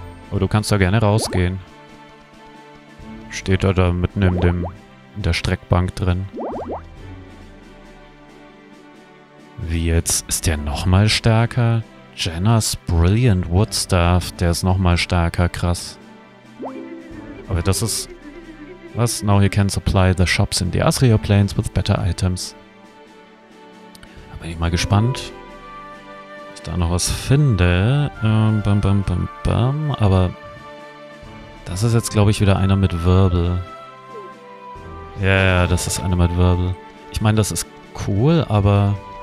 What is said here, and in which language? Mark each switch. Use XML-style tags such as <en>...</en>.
<de>Aber du kannst da gerne rausgehen. Steht da mitten in der Streckbank drin. Wie jetzt? Ist der nochmal stärker? Jenna's Brilliant Woodstaff, der ist nochmal stärker, krass. Aber das ist... Was?</de> <en>Now you can supply the shops in the Asriel Plains with better items.</en> <de>Da bin ich mal gespannt, ob ich da noch was finde. Aber das ist jetzt, glaube ich, wieder einer mit Wirbel. Ja, das ist einer mit Wirbel. Ich meine, das ist cool, aber...</de>